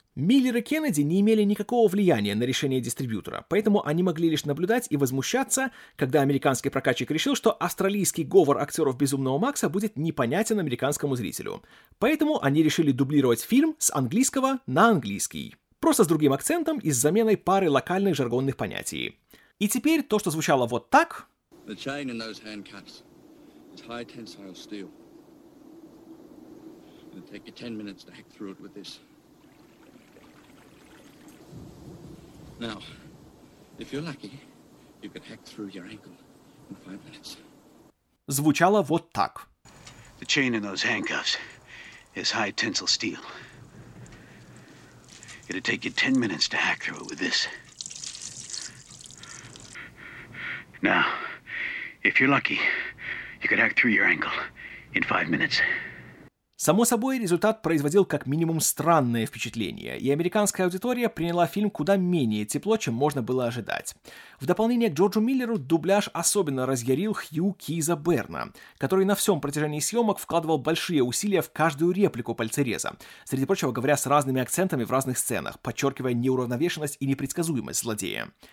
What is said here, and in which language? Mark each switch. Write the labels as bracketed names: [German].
[Russian] Миллер и Кеннеди не имели никакого влияния на решение дистрибьютора, поэтому они могли лишь наблюдать и возмущаться, когда американский прокатчик решил, что австралийский говор актеров «Безумного Макса» будет непонятен американскому зрителю. Поэтому они решили дублировать фильм с английского на английский. Просто с другим акцентом и с заменой пары локальных жаргонных понятий. И теперь то, что звучало вот так... [English] The chain in those handcuffs is high tensile steel. It'll take you 10 minutes to hack through it with this. Now, if you're lucky, you can hack through your ankle in 5 minutes. [Russian] Звучало вот так. [English] The chain in those handcuffs is high tensile steel. It'll take you 10 minutes to hack through it with this. Now, if you're lucky, you could hack through your ankle in 5 minutes. [Russian] Само собой, результат производил как минимум странное впечатление, и американская аудитория приняла фильм куда менее тепло, чем можно было ожидать. В дополнение к Джорджу Миллеру, дубляж особенно разъярил Хью Киза Берна, который на всем протяжении съемок вкладывал большие усилия в каждую реплику Пальцереза, среди прочего говоря с разными акцентами в разных сценах, подчеркивая неуравновешенность и непредсказуемость злодея.